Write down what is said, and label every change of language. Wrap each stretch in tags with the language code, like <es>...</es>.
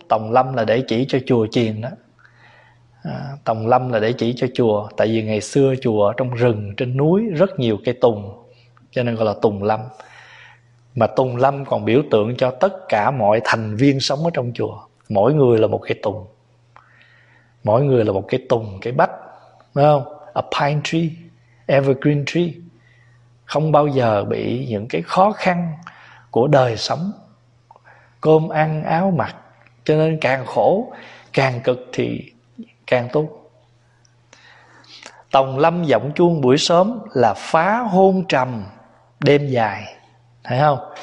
<vi>Tòng lâm là để chỉ cho chùa chiền đó. Tòng lâm là để chỉ cho chùa. Tại vì ngày xưa chùa ở trong rừng, trên núi rất nhiều cây tùng, cho nên gọi là tùng lâm. Mà tùng lâm còn biểu tượng cho tất cả mọi thành viên sống ở trong chùa. Mỗi người là một cây tùng. Mỗi người là một cây tùng, cây bách. Phải không?</vi> <en>A pine tree, evergreen tree.</en> <vi>Không bao giờ bị những cái khó khăn của đời sống, cơm ăn, áo mặc. Cho nên càng khổ, càng cực thì càng tốt. Tòng lâm vọng chuông buổi sớm là phá hôn trầm đêm dài. Thấy không?</vi>